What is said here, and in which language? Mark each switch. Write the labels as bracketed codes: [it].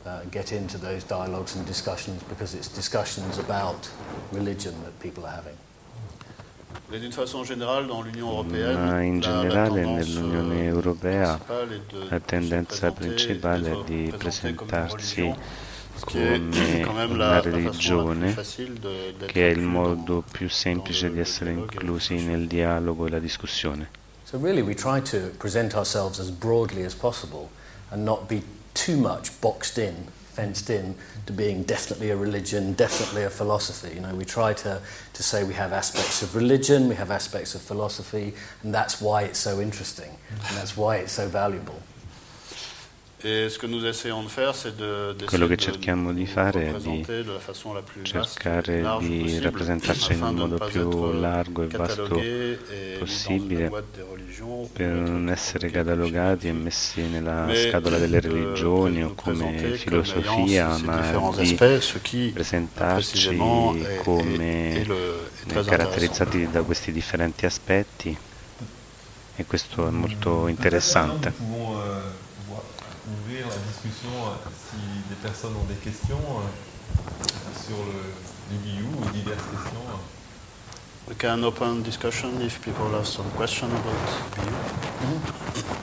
[en] Get into those dialogues and discussions because it's discussions about religion that people are having. [fr] Mais d'une façon générale dans l'Union européenne, [it] ma in generale nell'Unione Europea la tendenza principale è di presentarsi come una religione, che è il modo più semplice di essere inclusi nel dialogo e la discussione. [en] So really we try to present ourselves as broadly as possible and not be too much boxed in, fenced in, to being definitely a religion, definitely a philosophy. You know, we try to say we have aspects of religion, we have aspects of philosophy, and that's why it's so interesting, and that's why it's so valuable. [fr] Et ce que nous essayons de faire, c'est de [it] quello che cerchiamo di fare è di cercare di rappresentarci in un modo più largo e vasto possibile per non essere catalogati e messi nella scatola delle religioni o come filosofia, ma di presentarci come caratterizzati da questi differenti aspetti, e questo è molto interessante. [fr] Ouvrir la discussion si des personnes ont des questions sur l'IBU ou diverses questions. [en] We can open discussion if people have some questions about IBU.